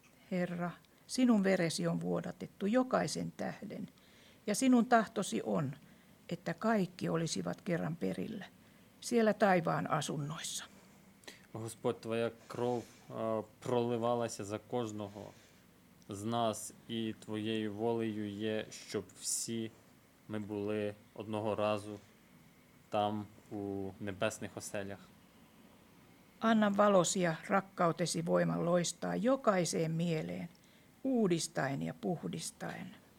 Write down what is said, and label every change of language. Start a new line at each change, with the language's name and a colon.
Finnish: Herra, sinun veresi on vuodatettu jokaisen tähden. Ja sinun tahtosi on, että kaikki olisivat kerran perillä, siellä taivaan asunnoissa.
Ukrainian: Господь, твоя кров проливалася за кожного з нас, і твоєю волею є, щоб всі ми були одного разу там у небесних оселях.
Finnish: Anna valosi ja rakkautesi voiman loistaa jokaiseen mieleen, uudistaen ja puhdistaen.